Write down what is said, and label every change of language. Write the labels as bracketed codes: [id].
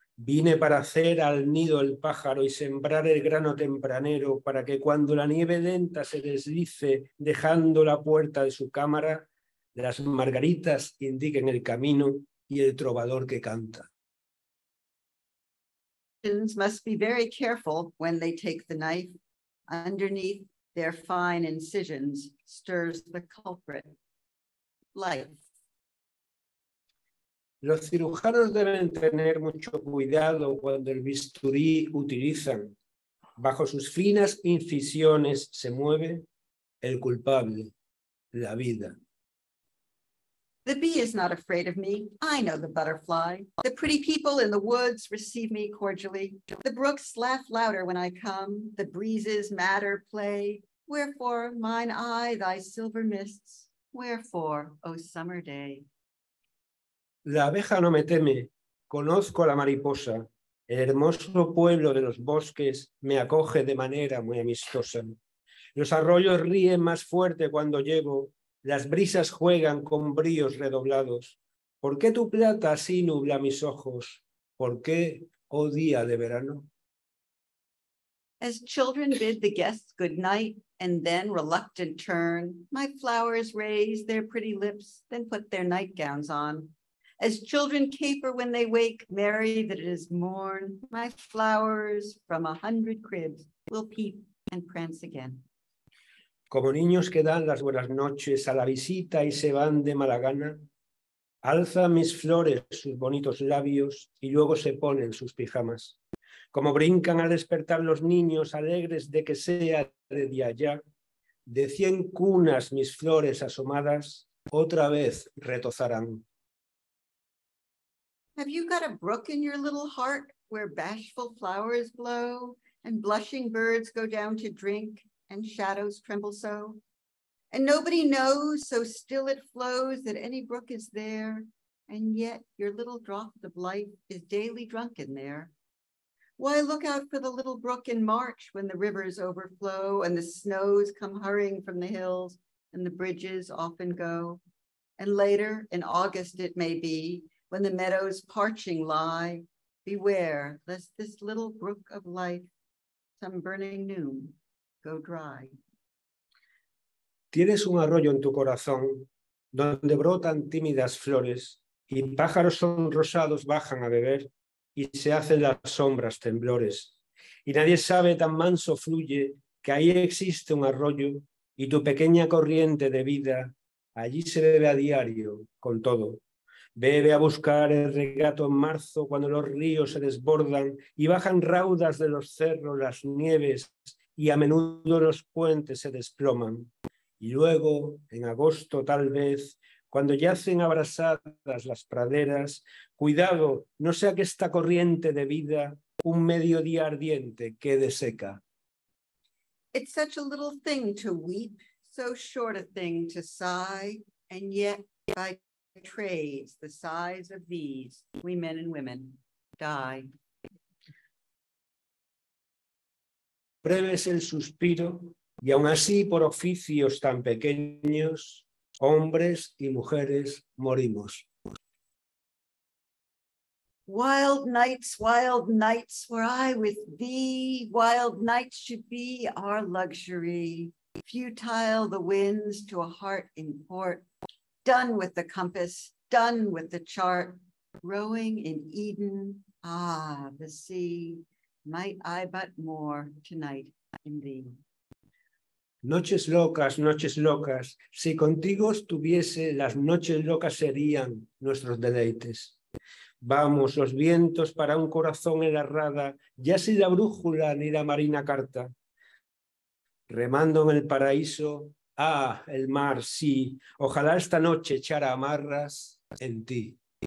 [es] Vine para hacer al nido el pájaro y sembrar el grano tempranero para que cuando la nieve lenta se deslice dejando la puerta de su cámara, las margaritas indiquen el camino y el trovador que canta. [en] Must be very careful when they take the knife. Underneath their fine incisions stirs the culprit, life. [es] Los cirujanos deben tener mucho cuidado cuando el bisturí utilizan. Bajo sus finas incisiones se mueve el culpable, la vida. [en] The bee is not afraid of me. I know the butterfly. The pretty people in the woods receive me cordially. The brooks laugh louder when I come. The breezes madder play. Wherefore, mine eye, thy silver mists? Wherefore, O summer day? [es] La abeja no me teme. Conozco a la mariposa. El hermoso pueblo de los bosques me acoge de manera muy amistosa. Los arroyos ríen más fuerte cuando llego. Las brisas juegan con bríos redoblados. ¿Por qué tu plata así nubla mis ojos? ¿Por qué, oh día de verano? [en] As children bid the guests good night and then reluctant turn, my flowers raise their pretty lips, then put their nightgowns on. As children caper when they wake, merry that it is morn, my flowers from 100 cribs will peep and prance again. [es] Como niños que dan las buenas noches a la visita y se van de mala gana, alza mis flores sus bonitos labios y luego se ponen sus pijamas. Como brincan al despertar los niños alegres de que sea de día ya, de 100 cunas mis flores asomadas otra vez retozarán. [en] Have you got a brook in your little heart where bashful flowers blow and blushing birds go down to drink and shadows tremble so? And nobody knows, so still it flows, that any brook is there, and yet your little drop of life is daily drunken there. Why look out for the little brook in March when the rivers overflow and the snows come hurrying from the hills and the bridges often go? And later, in August it may be, when the meadows parching lie, beware lest this little brook of life, some burning noon, go dry. [es] Tienes un arroyo en tu corazón donde brotan tímidas flores y pájaros sonrosados bajan a beber y se hacen las sombras temblores. Y nadie sabe tan manso fluye que ahí existe un arroyo y tu pequeña corriente de vida allí se bebe a diario con todo. Bebe a buscar el regato en marzo cuando los ríos se desbordan y bajan raudas de los cerros las nieves y a menudo los puentes se desploman. Y luego, en agosto tal vez, cuando yacen abrasadas las praderas, cuidado, no sea que esta corriente de vida un mediodía ardiente quede seca. [en] It's such a little thing to weep, so short a thing to sigh, and yet by trades the sighs of these, we men and women, die. [es] Breve es el suspiro. Y aun así, por oficios tan pequeños, hombres y mujeres morimos. [en] Wild nights, were I with thee, wild nights should be our luxury. Futile the winds to a heart in port, done with the compass, done with the chart, rowing in Eden, ah, the sea, might I but more tonight in thee. [es] Noches locas, si contigo estuviese, las noches locas serían nuestros deleites. Vamos, los vientos para un corazón en la rada, ya sin la brújula ni la marina carta. Remando en el paraíso, ah, el mar, sí, ojalá esta noche echara amarras en ti.